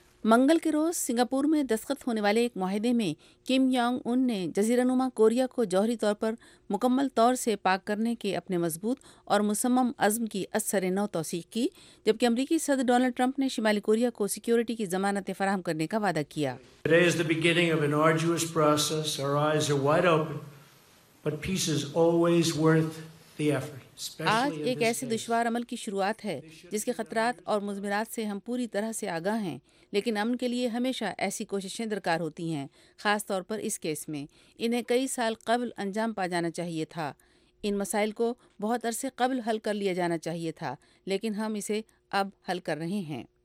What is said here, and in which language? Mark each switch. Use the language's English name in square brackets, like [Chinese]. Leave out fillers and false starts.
[Urdu] منگل کے روز سنگاپور میں دستخط ہونے والے ایک معاہدے میں کم یونگ ان نے جزیرہ نما کوریا کو جوہری طور پر مکمل طور سے پاک کرنے کے اپنے مضبوط اور مصمم عزم کی اثر نو توثیق کی، جبکہ امریکی صدر ڈونلڈ ٹرمپ نے شمالی کوریا کو سیکیورٹی کی ضمانتیں فراہم کرنے کا وعدہ کیا۔ [English] Today is the beginning of an arduous process. Our eyes are wide open, but peace is always worth the effort. [Urdu] آج ایک ایسے دشوار عمل کی شروعات ہے جس کے خطرات اور مضمرات سے ہم پوری طرح سے آگاہ ہیں، لیکن امن کے لیے ہمیشہ ایسی کوششیں درکار ہوتی ہیں، خاص طور پر اس کیس میں۔ انہیں کئی سال قبل انجام پا جانا چاہیے تھا، ان مسائل کو بہت عرصے قبل حل کر لیا جانا چاہیے تھا، لیکن ہم اسے اب حل کر رہے ہیں۔